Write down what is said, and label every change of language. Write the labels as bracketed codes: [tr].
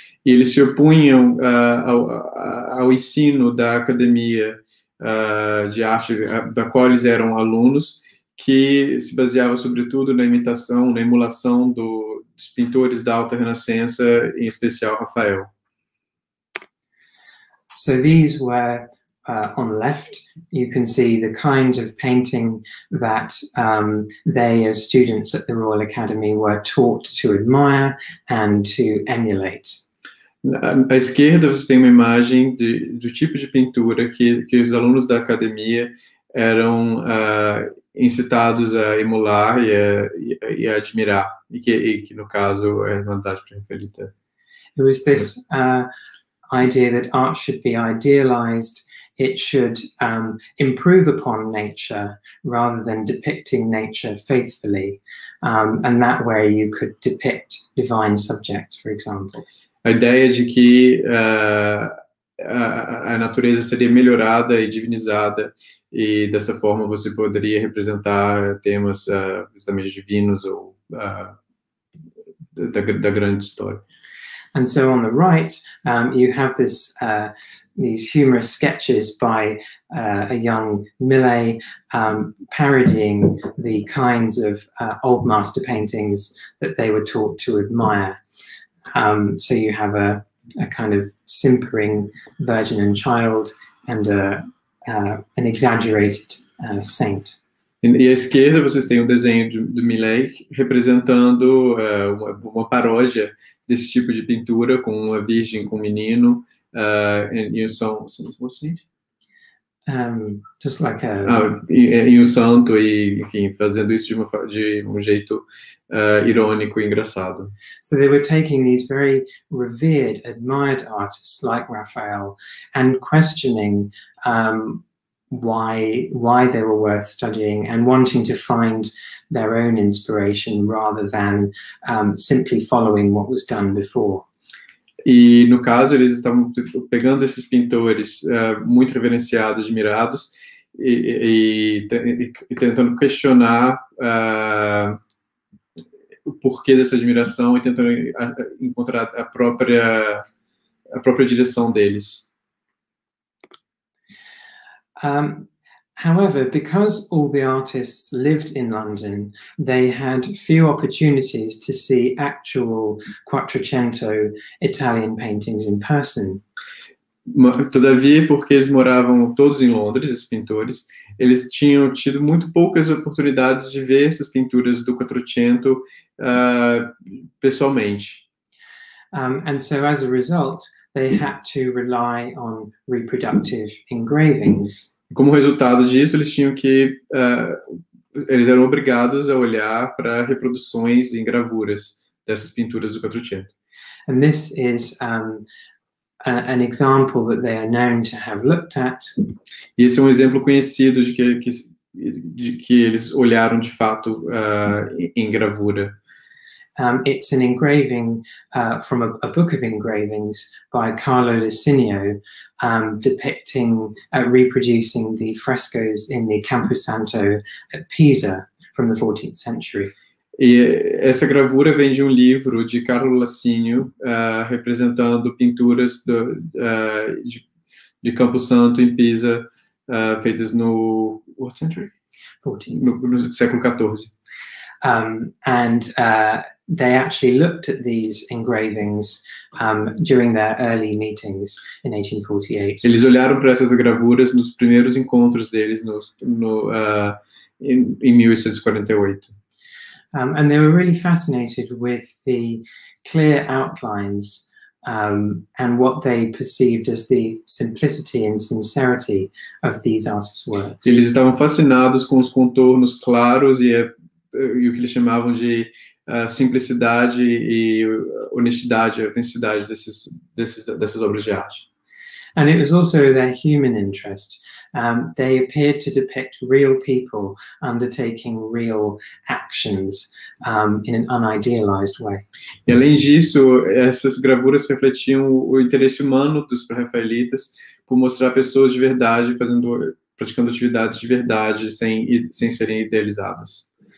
[pt] E eles se opunham ao ensino da Academia de Arte, da qual eles eram alunos, que se baseava sobretudo na imitação, na emulação dos pintores da Alta Renascença, em especial Rafael. [en] So these were, on the left, you can see the kind of painting that they, as students at the Royal Academy, were taught to admire and to emulate. [pt] À esquerda, você tem uma imagem do tipo de pintura que os alunos da academia eram incitados a emular e a admirar, e que no caso é a Irmandade Pré-Raphaelita. [en] It was this idea that art should be idealized, it should improve upon nature rather than depicting nature faithfully, and that way you could depict divine subjects, for example. [pt] A ideia de que a natureza seria melhorada e divinizada, e dessa forma você poderia representar temas justamente divinos ou da grande história. [en] And so on the right, you have this these humorous sketches by a young Millais parodying the kinds of old master paintings that they were taught to admire. So you have a kind of simpering virgin and child and an exaggerated saint. [pt] E à esquerda vocês têm um desenho do Millais representando uma paródia desse tipo de pintura com uma virgem com um menino e um santo. [en] What's it? Just like a. [pt] Ah, e um santo e enfim fazendo isso de um jeito irônico e engraçado. [en] So they were taking these very revered, admired artists like Raphael and questioning why they were worth studying and wanting to find their own inspiration rather than simply following what was done before. [pt] E no caso eles estavam pegando esses pintores muito reverenciados, admirados e tentando questionar o porquê dessa admiração e tentando encontrar a própria direção deles. [en] However, because all the artists lived in London, they had few opportunities to see actual Quattrocento Italian paintings in person. [pt] Todavia, porque eles moravam todos em Londres, esses pintores, eles tinham tido muito poucas oportunidades de ver essas pinturas do 400 pessoalmente. [en] And so, as a result, they had to rely on reproductive engravings. [pt] Como resultado disso, eles tinham que eles eram obrigados a olhar para reproduções em gravuras dessas pinturas do 400. [en] And this is an example that they are known to have looked at. [pt] E esse é um exemplo conhecido de que eles olharam de fato em gravura. [en] It's an engraving from a book of engravings by Carlo Licinio, depicting, reproducing the frescoes in the Campo Santo at Pisa from the 14th century. [pt] E essa gravura vem de um livro de Carlo Licinio, representando pinturas de Campo Santo em Pisa, feitas no, [en] what century? 14. [pt] No século 14. [en] They actually looked at these engravings during their early meetings in 1848. [pt] Eles olharam para essas gravuras nos primeiros encontros deles em 1848. [en] And they were really fascinated with the clear outlines and what they perceived as the simplicity and sincerity of these artists' works. [pt] Eles estavam fascinados com os contornos claros e o que eles chamavam de simplicidade e honestidade, autenticidade dessas obras de arte. [en] And it was also their human interest. They appeared to depict real people undertaking real actions in an unidealized way. [pt] E além disso, essas gravuras refletiam o interesse humano dos pré-rafaelitas por mostrar pessoas de verdade praticando atividades de verdade sem serem idealizadas.